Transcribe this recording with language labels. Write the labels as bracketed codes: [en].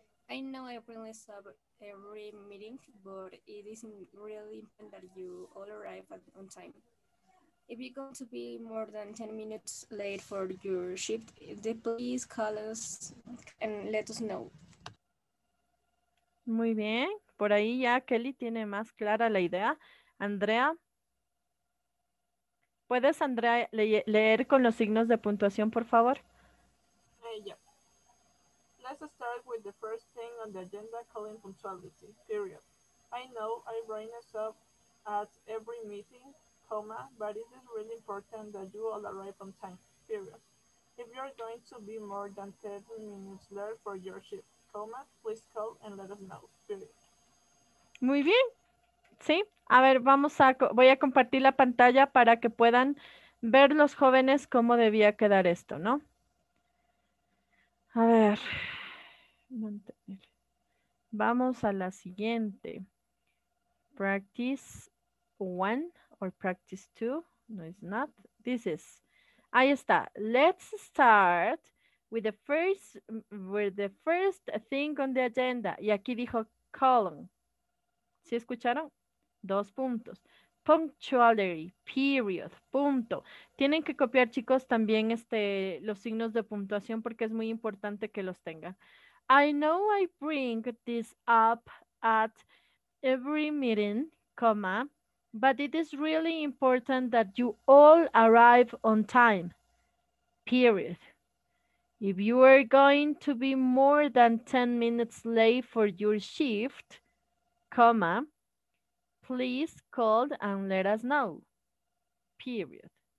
[en] I know I bring this up every meeting, but it isn't really important that you all arrive on time. If you're going to be more than 10 minutes late for your shift, please call us and let us know. [es] Muy bien. Por ahí ya Kelly tiene más clara la idea. Andrea, ¿puedes, Andrea, leer con los signos de puntuación, por favor? [en] Yeah. Let's start with the first thing on the agenda calling punctuality, period. I know I bring this up at every meeting, comma, but it is really important that you all arrive on time, period. If you are going to be more than 30 minutes late for your shift, comma, please call and let us know, period. [es] Muy bien. Sí. A ver, voy a compartir la pantalla para que puedan ver los jóvenes cómo debía quedar esto, ¿no? A ver. Mantener. Vamos a la siguiente. [en] Practice one. Or practice two, no, it's not. This is, [es] ahí está. [en] Let's start with the first thing on the agenda. [es] Y aquí dijo [en] colon. [es] ¿Sí escucharon? Dos puntos. [en] P punctuality, period, punto. [es] Tienen que copiar, chicos, también los signos de puntuación porque es muy importante que los tengan. [en] I know I bring this up at every meeting, comma, but it is really important that you all arrive on time, period. If you are going to be more than 10 minutes late for your shift, comma, please call and let us know, period.